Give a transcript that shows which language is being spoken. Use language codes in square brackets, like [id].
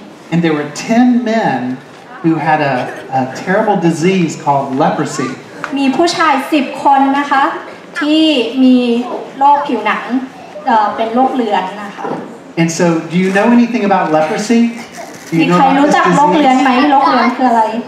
[en] And there were 10 men who had a terrible disease called leprosy. [th] มีผู้ชาย 10 คนนะคะที่มีโรคผิวหนัง ป็นโรคเลือดนะคะ [en] And so do you know anything about leprosy? Do you know about this disease? [th] โรคเลือดมั้ยโรคเลือดคืออะไร